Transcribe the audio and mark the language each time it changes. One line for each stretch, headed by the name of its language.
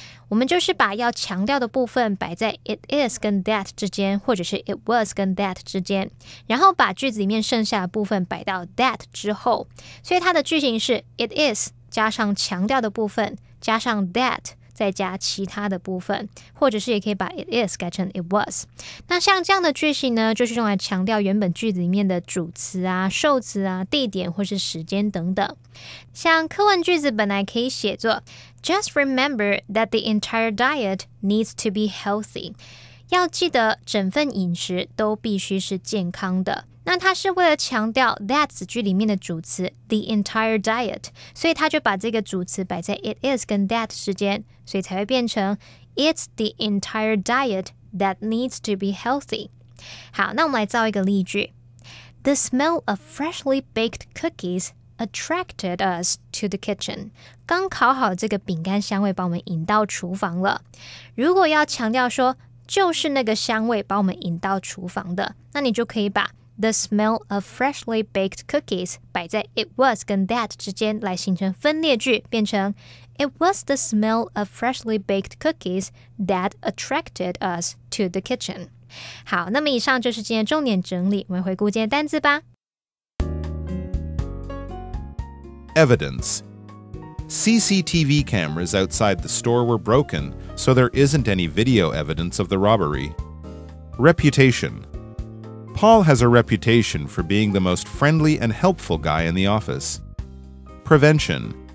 Chinese: 我们就是把要强调的部分摆在 it is 跟 that 之间，或者是 it was 跟 that 之间，然后把句子里面剩下的部分摆到 that 之后，所以它的句型是 it is 加上强调的部分加上 that 再加其他的部分，或者是也可以把 it is 改成 it was。那像这样的句型呢，就是用来强调原本句子里面的主词啊、受词啊、地点或是时间等等。像课文句子本来可以写作
English: Just remember that the entire diet needs to be healthy.
Chinese: 要记得整份饮食都必须是健康的。那它是为了强调 that 子句里面的主词
English: the entire diet，
Chinese: 所以它就把这个主词摆在 it is 跟 that 之间，所以才会变成
English: it's the entire diet that needs to be healthy.
Chinese: 好，那我们来造一个例句。
English: The smell of freshly baked cookies attracted us to the kitchen.
Chinese: 刚烤好这个饼干香味把我们引到厨房了。如果要强调说就是那个香味把我们引到厨房的，那你就可以把
English: the smell of freshly baked cookies 摆在 it was 跟 that
Chinese: 之间来形成分裂句，变成
English: It was the smell of freshly baked cookies that attracted us to the kitchen.
Chinese: 好，那么以上就是今天重点整理，我们回顾今天单字吧。
English: Evidence. CCTV cameras outside the store were broken, so there isn't any video evidence of the robbery. Reputation. Paul has a reputation for being the most friendly and helpful guy in the office. Prevention.